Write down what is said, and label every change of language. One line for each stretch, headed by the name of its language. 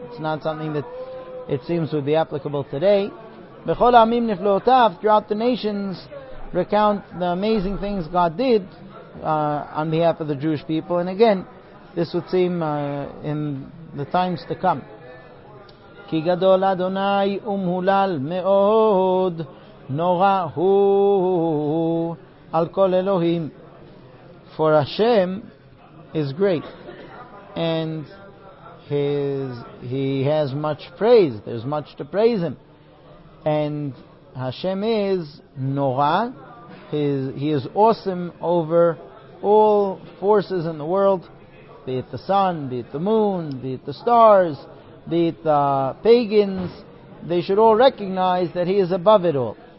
English: It's not something that it seems would be applicable today.
Hebrew: Bechol Amim Nifloatav,
English: throughout the nations, recount the amazing things God did on behalf of the Jewish people, and again, this would seem in the times to come.
Hebrew: כי גדול אדוני ומהולל מאוד נורא הוא על כל אלוהים.
English: For Hashem is great, and he has much praise. There's much to praise him. And Hashem is נורא. He is awesome over all forces in the world, be it the sun, be it the moon, be it the stars, be it the pagans, they should all recognize that he is above it all.